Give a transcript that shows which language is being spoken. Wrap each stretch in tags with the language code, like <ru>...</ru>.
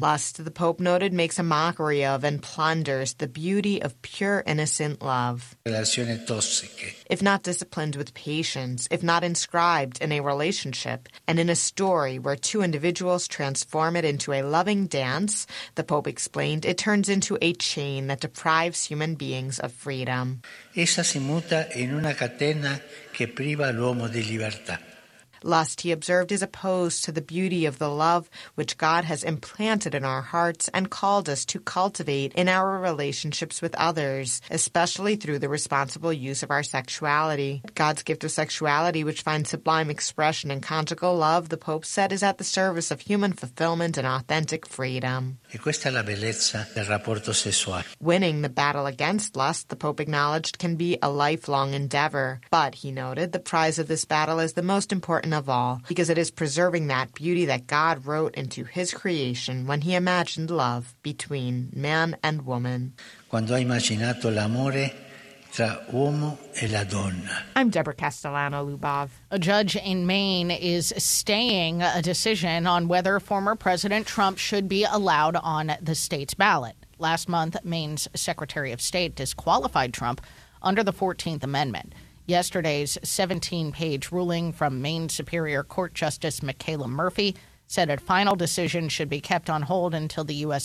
<en>Lust, the Pope noted, makes a mockery of and plunders the beauty of pure innocent love. If not disciplined with patience, if not inscribed in a relationship and in a story where two individuals transform it into a loving dance, the Pope explained, it turns into a chain that deprives human beings of freedom.</en> <it>Essa si muta in una catena che priva l'uomo di libertà.</it> <en>Lust, he observed, is opposed to the beauty of the love which God has implanted in our hearts and called us to cultivate in our relationships with others, especially through the responsible use of our sexuality. God's gift of sexuality, which finds sublime expression in conjugal love, the Pope said, is at the service of human fulfillment and authentic freedom.</en> <it>E questa è la bellezza del rapporto sessuale.</it> <en>Winning the battle against lust, the Pope acknowledged, can be a lifelong endeavor. But, he noted, the prize of this battle is the most important of all, because it is preserving that beauty that God wrote into his creation when he imagined love between man and woman.</en> <it>Quando ha immaginato l'amore tra uomo e la donna.</it> <en>I'm Deborah Castellano-Lubov. A judge in Maine is staying a decision on whether former President Trump should be allowed on the state's ballot. Last month, Maine's Secretary of State disqualified Trump under the 14th Amendment. Yesterday's 17-page ruling from Maine Superior Court Justice Michaela Murphy said a final decision should be kept on hold until the U.S.</en>